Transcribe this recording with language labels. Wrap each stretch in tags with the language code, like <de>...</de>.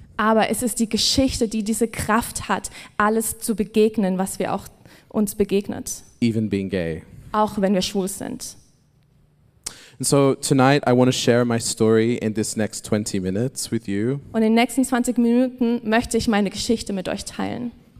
<de>Aber es ist die Geschichte, die diese Kraft hat, alles zu begegnen, was wir auch uns begegnet.</de> <en>Even being gay.</en> <de>Auch wenn wir schwul sind.</de> <en>And so tonight I want to share my story in this next 20 minutes with you.</en> <de>Und in den nächsten 20 Minuten möchte ich meine Geschichte mit euch teilen.</de>